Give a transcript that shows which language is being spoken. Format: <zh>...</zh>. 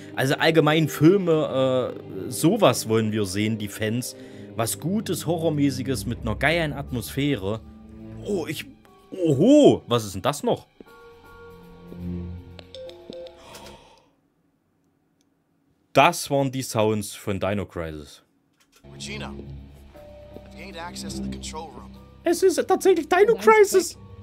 <de>Also allgemein Filme, sowas wollen wir sehen, die Fans. Was Gutes, Horrormäßiges mit einer geilen Atmosphäre. Oho, was ist denn das noch? Das waren die Sounds von Dino Crisis.</de> <en>Regina, I've gained access to the control room.</en> <de>Es ist tatsächlich Dino Crisis.</de>